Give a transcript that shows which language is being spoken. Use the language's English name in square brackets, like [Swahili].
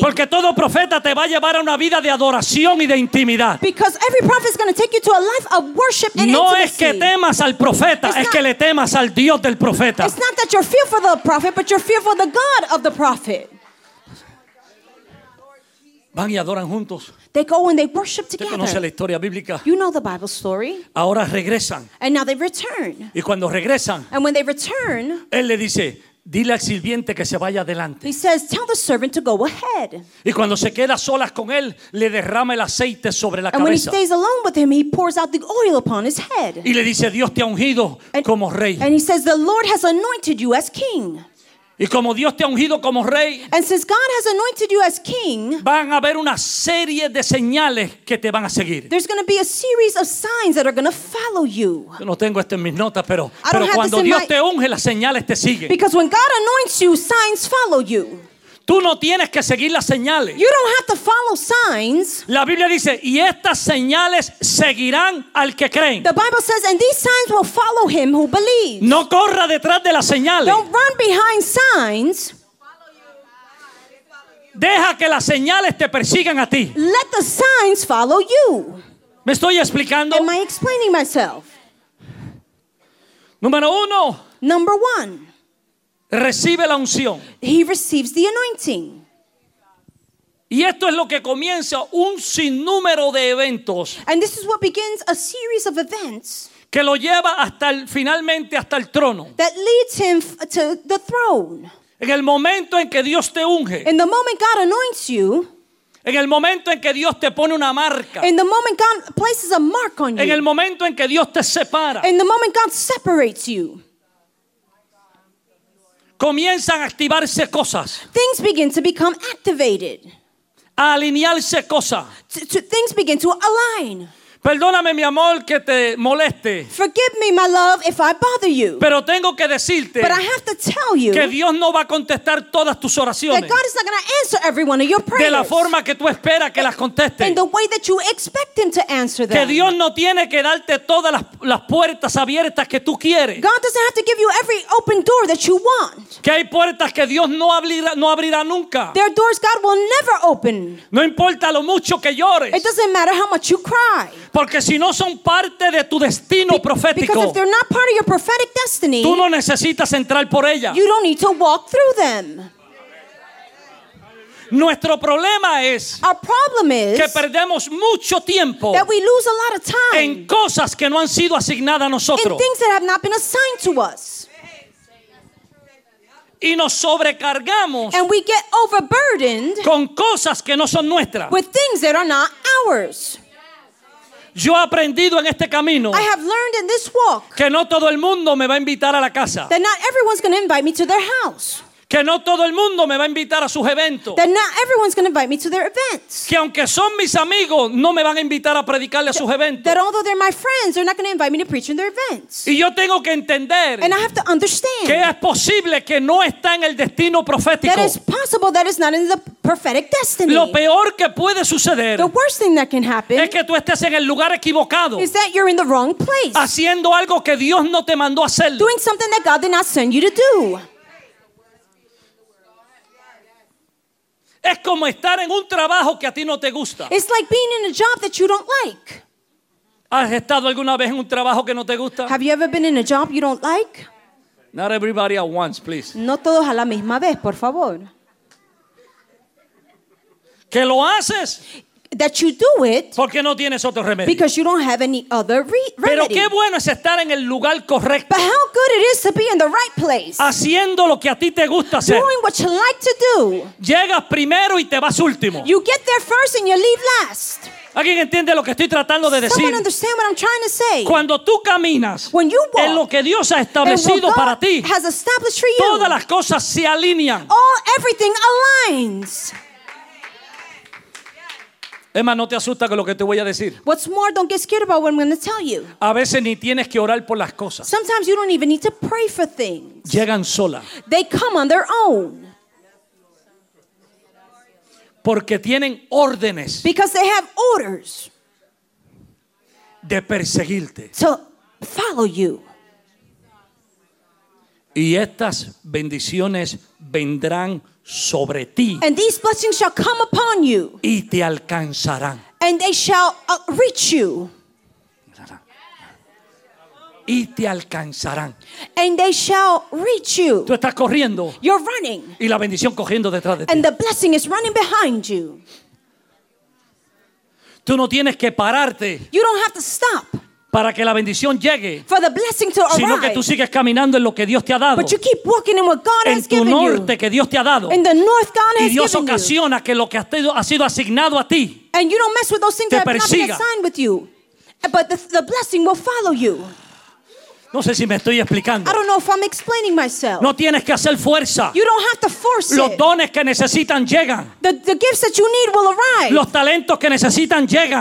[Spanish] Porque todo profeta te va a llevar a una vida de adoración y de intimidad. [English] Because every prophet is going to take you to a life of worship and no intimacy. [Spanish] No es que temas al profeta, [English] it's [Spanish] es [English] not, [Spanish] que le temas al Dios del profeta. [English] It's not that you're fearful for the prophet, but you're fearful for the God of the prophet. [Spanish] Van y adoran juntos. [English] They go and they worship together. [Spanish] ¿Usted conoce la historia bíblica? [English] You know the Bible story. [Spanish] Ahora regresan. [English] And now they return. [Spanish] Y cuando regresan, [English] and when they return, [Spanish] él le dice, dile al sirviente que se vaya adelante. [English] He says, tell the servant to go ahead. [Spanish] Y cuando se queda solas con él, le derrama el aceite sobre la [English] and And when he stays alone with him, he pours out the oil upon his head. [Spanish] Y le dice, Dios te ha ungido and, como rey. [English] And he says, the Lord has anointed you as king. [Spanish] Y como Dios te ha ungido como rey, [English] and since God has anointed you as king, [Spanish] van a haber una serie de señales que te van a seguir. [English] There's going to be a series of signs that are going to follow you. [Spanish] Yo no tengo esto en mis notas, pero cuando Dios te unge, las señales te siguen. [English] Because when God anoints you, signs follow you. [Spanish] Tú no tienes que seguir las señales. [English] You don't have to follow signs. [Spanish] La Biblia dice, y estas señales seguirán al que cree. [English] The Bible says, and these signs will follow him who believes. [Spanish] No corra detrás de las señales. [English] Don't run behind signs. [Spanish] Deja que las señales te persigan a ti. [English] Let the signs follow you. [Spanish] ¿Me estoy explicando? [English] Am I explaining myself? [Spanish] Número uno. [English] Number one. [Spanish] Recibe la unción. [English] He receives the anointing. [Spanish] Y esto es lo que comienza un sinnúmero de eventos. [English] And this is what begins a series of events. [Spanish] Que lo lleva hasta el, finalmente hasta el trono. [English] That leads him to the throne. [Spanish] En el momento en que Dios te unge. [English] In the moment God anoints you. [Spanish] En el momento en que Dios te pone una marca. [English] In the moment God places a mark on you. [Spanish] En el momento en que Dios te separa. [English] In the moment God separates you. [Spanish] Comienzan a activarse cosas. [English] Things begin to become activated. [Spanish] A alinearse cosas. [English] Things begin to align. [Spanish] Perdóname, mi amor, que te moleste. [English] Forgive me, my love, if I bother you. [Spanish] Pero tengo que decirte. [English] But I have to tell you. [Spanish] Que Dios no va a contestar todas tus oraciones. [English] That God is not going to answer every one of your prayers. [Spanish] De la forma que tú esperas que las conteste. [English] In the way that you expect him to answer them. [Spanish] Que Dios no tiene que darte todas las puertas abiertas que tú quieres. [English] God doesn't have to give you every open door that you want. [Spanish] Que hay puertas que Dios no abrirá nunca. [English] There are doors God will never open. [Spanish] No importa lo mucho que llores. [English] It doesn't matter how much you cry. [Spanish] Porque si no son parte de tu destino profético, [English] if they're not part of your prophetic destiny, [Spanish] tú no necesitas entrar por ella. [English] You don't need to walk through them. [Spanish] Nuestro problema es [English] our problem is [Spanish] que perdemos mucho tiempo [English] that we lose a lot of time [Spanish] en cosas que no han sido asignadas a nosotros. [English] In things that have not been assigned to us. [Spanish] Y nos sobrecargamos [English] and we get overburdened [Spanish] con cosas que no son nuestras. [English] With things that are not ours. [Spanish] Yo he aprendido en este camino [English] I have learned in this walk [Spanish] que no todo el mundo me va a invitar a la casa. [English] That not everyone's going to invite me to their house. [Spanish] Que no todo el mundo me va a invitar a sus eventos. [English] That not everyone's going to invite me to their events. [Spanish] Que aunque son mis amigos, no me van a invitar a predicarle a sus eventos. [English] That although they're my friends, they're not going to invite me to preach in their events. [Spanish] Y yo tengo que entender [English] and I have to understand [Spanish] que es posible que no está en el destino profético. [English] That it's possible that it's not in the prophetic destiny. [Spanish] Lo peor que puede suceder, [English] the worst thing that can happen [Spanish] es que tú estés en el lugar equivocado, [English] is that you're in the wrong place. [Spanish] Haciendo algo que Dios no te mandó a hacer. [English] Doing something that God did not send you to do. [Spanish] Es como estar en un trabajo que a ti no te gusta. [English] It's like being in a job that you don't like. [Spanish] ¿Has estado alguna vez en un trabajo que no te gusta? [English] Have you ever been in a job you don't like? Not everybody at once, please. [Spanish] No todos a la misma vez, por favor. ¿Que lo haces? [English] That you do it. [Spanish] Porque no tienes otro remedio. [English] Because you don't have any other remedy. [Spanish] Pero qué bueno es estar en el lugar correcto. [English] But how good it is to be in the right place. [Spanish] Haciendo lo que a ti te gusta hacer. [English] Doing what you like to do. [Spanish] Llegas primero y te vas último. [English] You get there first and you leave last. [Spanish] ¿Alguien entiende lo que estoy tratando de decir? [English] Someone understand what I'm trying to say. [Spanish] Cuando tú caminas [English] when you walk, [Spanish] en lo que Dios ha establecido para ti, [English] has established for you, [Spanish] todas las cosas se alinean. [English] All everything aligns. [Spanish] Es más, no te asusta con lo que te voy a decir. [English] What's more, don't get scared about what I'm going to tell you. [Spanish] A veces ni tienes que orar por las cosas. [English] Sometimes you don't even need to pray for things. [Spanish] Llegan solas. [English] They come on their own. [Spanish] Porque tienen órdenes. [English] Because they have orders. [Spanish] de perseguirte. [English] To follow you. [Spanish] Y estas bendiciones vendrán sobre ti. [English] And these blessings shall come upon you. [Spanish] Y te alcanzarán. [English] And they shall reach you. [Spanish] Y te alcanzarán. [English] And they shall reach you. [Spanish] Tú estás corriendo. [English] You're running. [Spanish] Y la bendición corriendo detrás de ti. [English] And the blessing is running behind you. [Spanish] Tú no tienes que pararte. [English] You don't have to stop. [Spanish] Para que la bendición llegue. [English] For the blessing to arrive. [Spanish] Sino que tú sigues caminando en lo que Dios te ha dado. [English] But you keep walking in what God has given you. [Spanish] En tu norte que Dios te ha dado. [English] In the north God has given you. [Spanish] Y Dios ocasiona que lo que ha sido asignado a ti. [English] And you don't mess with those things that have not been assigned with you. But the blessing will follow you. [Spanish] No sé si me estoy explicando. [English] I don't know if I'm explaining myself. [Spanish] No tienes que hacer fuerza. [English] You don't have to force it. [Spanish] Los dones que necesitan llegan. [English] The gifts that you need will arrive. [Spanish] Los talentos que necesitan llegan.